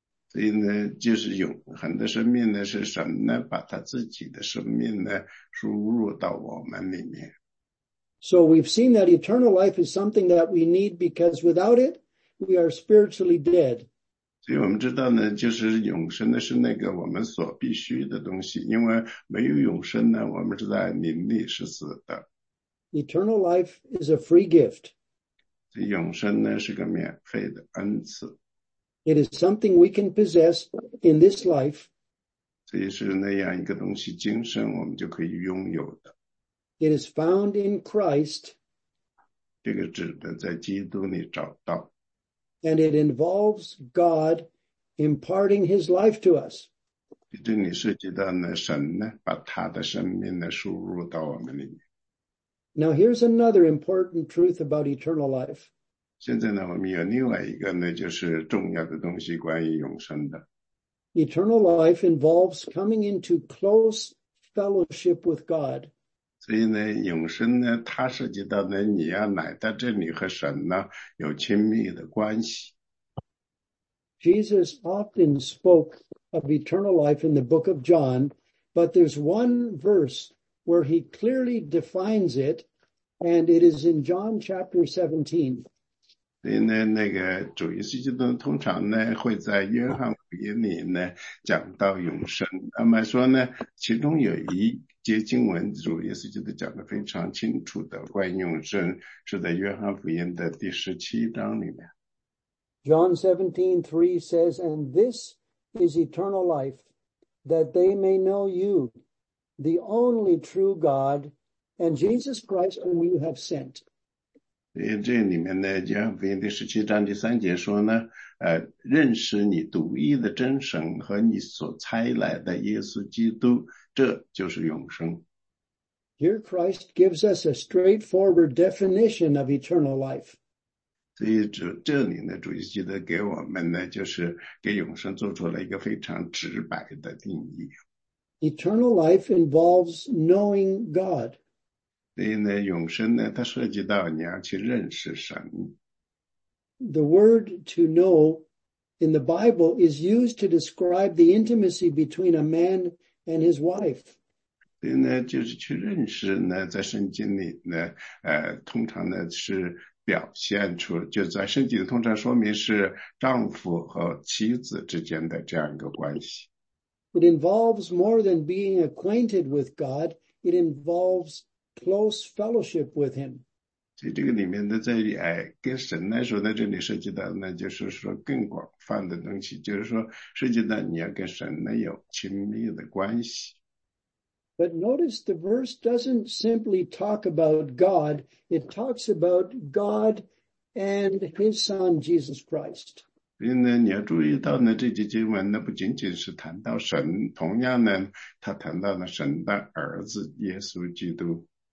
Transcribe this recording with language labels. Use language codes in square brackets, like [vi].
[zh] 所以呢，就是永恒的生命呢，是神呢把他自己的生命呢输入到我们里面。 [en] So we've seen that eternal life is something that we need because without it, we are spiritually dead. [zh] 所以我们知道呢，就是永生呢是那个我们所必须的东西，因为没有永生呢，我们是在灵里是死的。 [en] Eternal life is a free gift. [zh] 所以永生呢是个免费的恩赐。 [en] It is something we can possess in this life. [zh] 这也是那样一个东西，今生我们就可以拥有的。 [en] It is found in Christ. [zh] 这个只能在基督里找到。 [en] And it involves God imparting His life to us. [zh] 这里涉及到呢，神呢，把他的生命呢，输入到我们里面。 [en] Now here's another important truth about eternal life. [zh] 现在呢，我们有另外一个呢，就是重要的东西，关于永生的。 [en] Eternal life involves coming into close fellowship with God. [zh] 所以呢，永生呢，它涉及到呢，你要来到这里和神呢有亲密的关系。 [en] Jesus often spoke of eternal life in the book of John, but there's one verse where he clearly defines it, and it is in John chapter 17. [zh] 所以呢，那个主耶稣基督通常呢会在约翰福音里呢讲到永生。那么说呢，其中有一节经文，主耶稣基督讲得非常清楚的关于永生，是在约翰福音的第十七章里面。 [en] John 17:3 says, "And this is eternal life, that they may know you, the only true God, and Jesus Christ, whom you have sent." [zh] 所以这里面呢，约翰福音第十七章第三节说呢，认识你独一的真神和你所差来的耶稣基督，这就是永生。 [en] Here Christ gives us a straightforward definition of eternal life. [zh] 所以这里呢，主耶稣基督给我们呢，就是给永生做出了一个非常直白的定义。 [en] Eternal life involves knowing God. [zh] 所以呢，永生呢，它涉及到你要去认识神。 [en] The word to know in the Bible is used to describe the intimacy between a man and his wife. [zh] 所以呢，就是去认识呢，在圣经里呢，通常呢是表现出，就在圣经里通常说明是丈夫和妻子之间的这样一个关系。 [en] It involves more than being acquainted with God. It involves close fellowship with Him. [zh] 所以这个里面的在跟神来说呢，这里涉及到呢，就是说更广泛的东西，就是说涉及到你要跟神呢有亲密的关系。 [en] But notice the verse doesn't simply talk about God. It talks about God and his son, Jesus Christ. [zh] 所以呢，你要注意到呢，这节经文呢不仅仅是谈到神，同样呢，他谈到了神的儿子耶稣基督。